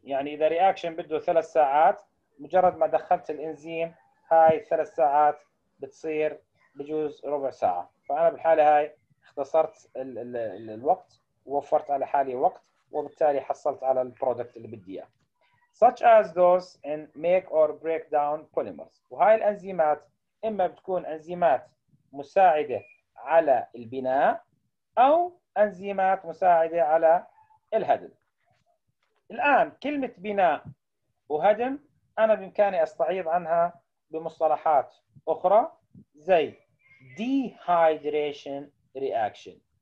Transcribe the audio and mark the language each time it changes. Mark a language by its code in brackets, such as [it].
[ar] يعني إذا reaction بده ثلاث ساعات، مجرد ما دخلت الانزيم هاي ثلاث ساعات بتصير بجوز ربع ساعة. فأنا بالحالة هاي اختصرت الـ الوقت، ووفرت على حالي وقت، وبالتالي حصلت على البرودكت اللي بدي إياه. [en] Such as those in make or break down polymers. [ar] وهاي الانزيمات إما بتكون انزيمات مساعدة على البناء أو أنزيمات مساعدة على الهدم. الآن كلمة بناء وهدم أنا بإمكاني أستعيض عنها بمصطلحات أخرى زي dehydration reaction.